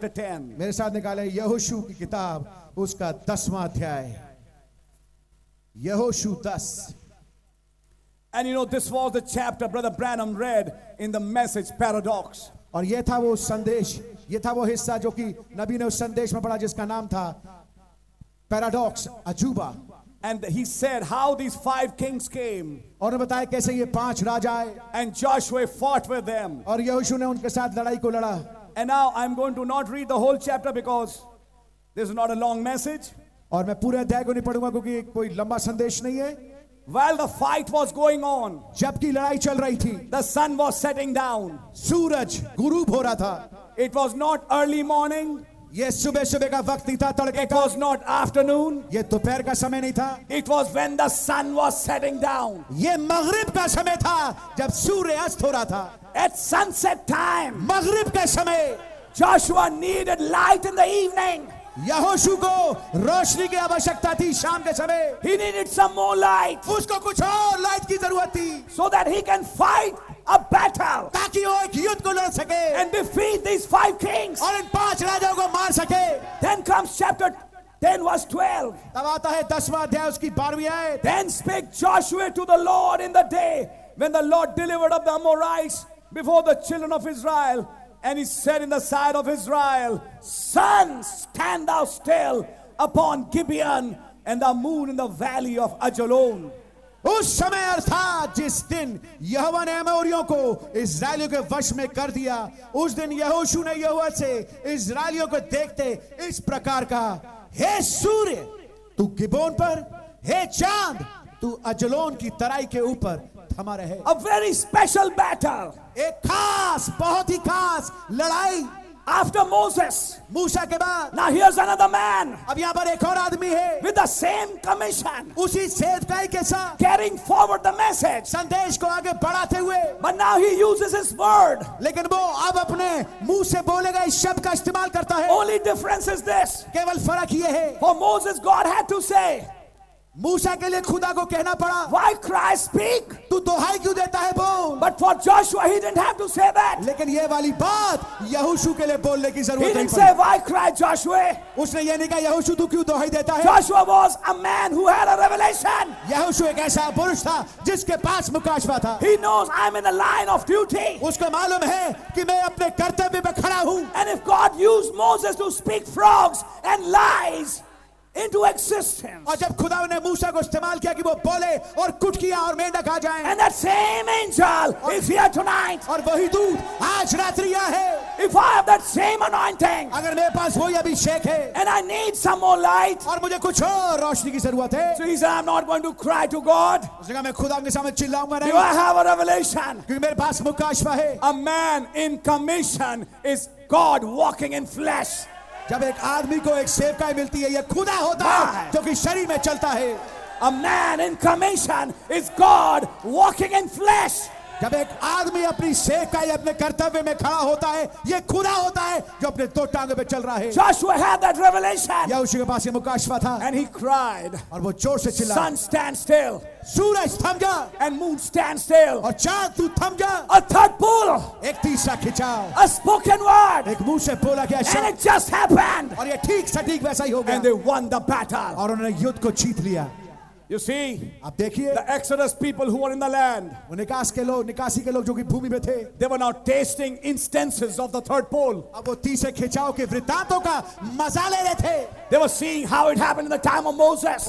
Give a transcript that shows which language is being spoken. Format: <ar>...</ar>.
<hi>मेरे साथ निकाले यहोशू की किताब उसका दसवां अध्याय यहोशू 10</hi> <en>and you know this was the chapter brother Branham read in the message paradox</en> <hi>और ये था वो संदेश ये था वो हिस्सा जो कि नबी ने उस संदेश में पढ़ा जिसका नाम था पैराडॉक्स अजूबा</hi> <en>And he said how these five kings came.</en> <hi>और बताए कैसे ये पांच राजा आए.</hi> <en>And Joshua fought with them.</en> <hi>और यहोशू ने उनके साथ लड़ाई को लड़ा.</hi> <en>And now I'm going to not read the whole chapter because this is not a long message.</en> <hi>और मैं पूरे अध्याय को नहीं पढूंगा क्योंकि कोई लंबा संदेश नहीं है.</hi> <en>While the fight was going on,</en> <hi>जबकि लड़ाई चल रही थी,</hi> <en>the sun was setting down.</en> <hi>सूरज गुरूब हो रहा था.</hi> <en>It was not early morning.</en> <hi>ये सुबह सुबह का वक्त नहीं था तड़के का.</hi> <en>It was not afternoon.</en> <hi>ये दोपहर का समय नहीं था.</hi> <en>It was when the sun was setting down.</en> <hi>ये मगरिब का समय था जब सूर्य अस्त हो रहा था.</hi> <en>At sunset time.</en> <hi>मगरिब के समय.</hi> <en>Joshua needed light in the evening.</en> <hi>यहोशू को रोशनी की आवश्यकता थी शाम के समय.</hi> <en>He needed some more light.</en> <hi>उसको कुछ और लाइट की जरूरत थी.</hi> <en>So that he can fight a battle.</en> <hi>ताकि वो एक युद्ध को लड़ सके.</hi> <en>And defeat these five kings.</en> <hi>और इन पांच राजाओं को मार सके.</hi> <en>Then comes chapter 10 verse 12.</en> <hi>तब आता है दसवां अध्याय उसकी बारहवीं आयत.</hi> <en>Then spake Joshua to the Lord in the day when the Lord delivered up the Amorites before the children of Israel. And he said in the sight of Israel, Sun, stand thou still upon Gibeon, and the moon in the valley of Ajalon.</en> <hi>उस समय अर्थात जिस दिन यहोवा ने अमोरियों को इसराइलियों के वश में कर दिया, उस दिन यहोशू ने यहोवा से इसराइलियों को देखते इस प्रकार कहा, हे सूर्य तू गिबोन पर, हे चांद तू अजलोन की तराई के ऊपर थमा रहे.</hi> <en>A very special battle.</en> <hi>एक खास बहुत ही खास लड़ाई.</hi> <en>After Moses.</en> <hi>मूसा के बाद.</hi> <en>Now here's another man.</en> <hi>अब यहाँ पर एक और आदमी है.</hi> <en>With the same commission.</en> <hi>उसी सेवकाई के साथ.</hi> <en>Carrying forward the message.</en> <hi>संदेश को आगे बढ़ाते हुए.</hi> <en>But now he uses his word.</en> <hi>लेकिन वो अब अपने मुंह से बोले गए शब्द का इस्तेमाल करता है.</hi> <en>Only difference is this.</en> <hi>केवल फर्क ये है.</hi> <en>For Moses, God had to say.</en> <hi>मूसा के लिए खुदा को कहना पड़ा.</hi> <en>Why cry speak?</en> <hi>तू दोहाई क्यों देता है बोल?</hi> <en>But for Joshua, he didn't have to say that.</en> <hi>लेकिन ये वाली बात यहोशू के लिए बोलने की जरूरत नहीं पड़ी.</hi> <en>He didn't say why cry Joshua.</en> <hi>उसने ये नहीं कहा यहोशू तू क्यों दोहाई देता है?</hi> <en>Joshua was a man who had a revelation.</en> <hi>यहोशू एक ऐसा पुरुष था जिसके पास मुकाशवा था.</hi> <en>He knows I'm in the line of duty.</en> <hi>उसको मालूम है कि मैं अपने कर्तव्य पे खड़ा हूँ.</hi> <en>And if God used Moses to speak frogs and lies into existence.</en> <hi>और जब खुदा ने मूसा को इस्तेमाल किया कि वो बोले और कुटकियां और मेंढक आ जाएं.</hi> <en>And that same angel is here tonight.</en> <hi>और वही दूत आज रात्रि यहाँ है.</hi> <en>If I have that same anointing.</en> <hi>अगर मेरे पास वही अभिषेक है.</hi> <en>And I need some more light.</en> <hi>और मुझे कुछ और रोशनी की जरूरत है.</hi> <en>So he said, I'm not going to cry to God.</en> <hi>उसने कहा मैं खुदा के सामने चिल्लाऊंगा नहीं.</hi> <en>Do I have a revelation?</en> <hi>क्योंकि मेरे पास मुकाशवा है.</hi> <en>A man in commission is God walking in flesh.</en> <hi>जब एक आदमी को एक सेवकाई मिलती है ये खुदा होता है जो कि शरीर में चलता है.</hi> <en>A man in commission is God walking in flesh.</en> <hi>जब एक आदमी अपनी सेवकाई अपने कर्तव्य में खड़ा होता है ये खुदा होता है जो अपने दो टांगों पे चल रहा है.</hi> <en>Joshua had that revelation.</en> <hi>यहोशू के पास ये मुकाशवा था.</hi> <en>And he cried.</en> <hi>और वो जोर से चिल्लाया.</hi> <en>Sun stand still.</en> <hi>सूरज थम जा.</hi> <en>And moon stand still.</en> <hi>और चांद तू थम जा.</hi> <en>A third pull.</en> <hi>एक तीसरा खिंचाव.</hi> <en>A spoken word.</en> <hi>एक मुंह से बोला गया शब्द.</hi> <en>And it just happened.</en> <hi>और ये ठीक सटीक वैसा ही हो गया.</hi> <en>And they won the battle.</en> <hi>और उन्होंने युद्ध को जीत लिया.</hi> <en>You see,</en> <hi>आप देखिए,</hi> <en>the Exodus people who were in the land,</en> <hi>वो निकास के लोग, निकासी के लोग जो कि भूमि में थे,</hi> <en>they were now tasting instances of the third pole.</en> <hi>अब वो तीसरे खिंचाव के वृत्तांतों का मजा ले रहे थे.</hi> <en>They were seeing how it happened in the time of Moses.</en>